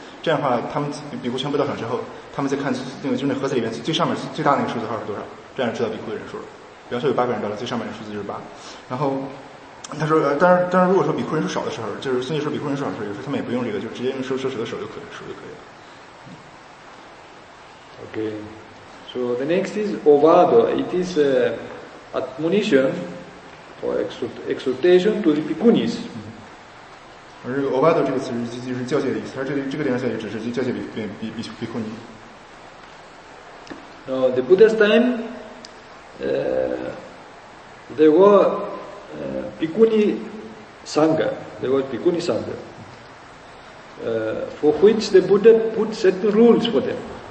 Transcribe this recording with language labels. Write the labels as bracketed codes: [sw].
[zh] 这样的话，他们比库全部到场之后，他们再看那个就是那盒子里边最上面最大那个数字号是多少，这样知道比库的人数了。比方说有八个人到了，最上面的数字就是八，然后。他说当然如果说比库人数少的时候，就是孙杰说比库人数少的时候，有时候他们也不用这个，就直接用手的手就可以了。 [en] Okay, so the next is Ovada. It is a admonition or exhortation to the Bhikkhunis. [zh] 而这个 Ovada 这个词就是教诫的意思，而这个地方也只是教诫比库尼。 [en] Now, the Buddha's time, there were Bhikkhuni Sangha, there was Bhikkhuni Sangha, for which the Buddha put certain rules for them.